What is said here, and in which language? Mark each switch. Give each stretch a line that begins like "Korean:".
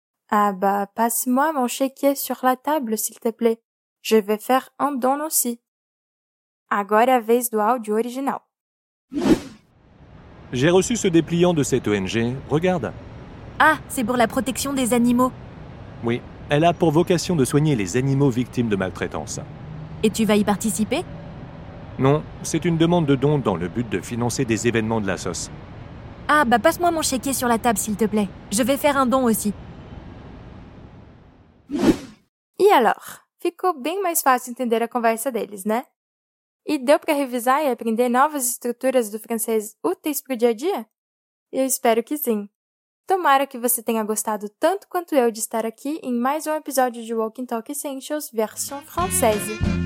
French: Ah bah, passe-moi mon chéquier sur la table, s'il te plaît. Je vais faire un don aussi.
Portuguese: Agora a vez do áudio original.
French: J'ai reçu ce dépliant de cette ONG. Regarde. Ah, c'est pour la protection des animaux. Oui. Elle a pour vocation de soigner les animaux victimes de maltraitance. Et tu vas y participer? Non, c'est une demande de don dans le but de financer des événements de la sauce. Ah, bah passe-moi mon chéquier sur la table, s'il te plaît. Je vais faire un don aussi.
Portuguese: E alors? Ficou bem mais fácil entender a conversa deles, né? E deu para revisar e aprender novas estruturas do francês úteis para o dia a dia? Eu espero que sim. Tomara que você tenha gostado tanto quanto eu de estar aqui em mais um episódio de Walking Talk Essentials versão française.